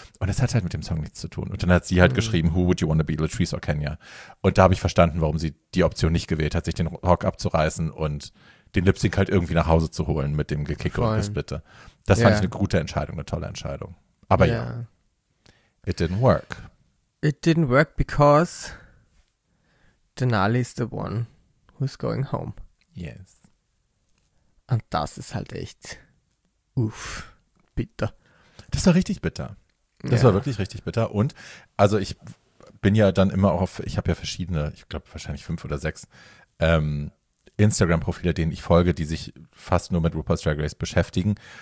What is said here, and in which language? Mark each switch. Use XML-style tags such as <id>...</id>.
<de>Und das hat halt mit dem Song nichts zu tun. Und dann hat sie halt geschrieben,</de> <en>who would you wanna be, Latrice or Kenya?</en> <de>Und da habe ich verstanden, warum sie die Option nicht gewählt hat, sich den Rock abzureißen und den Lip-Sync halt irgendwie nach Hause zu holen mit dem Gekicke und Gespitte. Das fand ich eine gute Entscheidung, eine tolle Entscheidung. Aber</de> <en>it didn't work. It didn't work because Denali is the one who's going home. Yes.</en> <de>Und das ist halt echt bitter. Das war richtig bitter. Das war wirklich richtig bitter. Und also ich bin ja dann immer auch auf, ich habe ja verschiedene, ich glaube wahrscheinlich 5 oder 6 Instagram-Profile, denen ich folge, die sich fast nur mit RuPaul's Drag Race beschäftigen.</de>